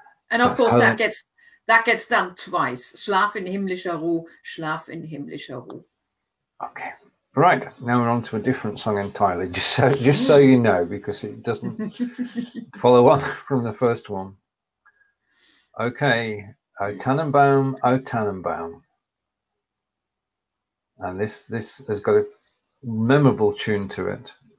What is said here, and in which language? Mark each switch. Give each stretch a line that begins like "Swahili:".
English: And so of course, that gets done twice.
German: Schlaf in himmlischer Ruhe. Schlaf in himmlischer Ruhe.
English: Okay. Right, now we're on to a different song entirely, just so you know, because it doesn't follow on from the first one.
German: Okay, O Tannenbaum, O Tannenbaum.
English: And this has got a memorable tune to it.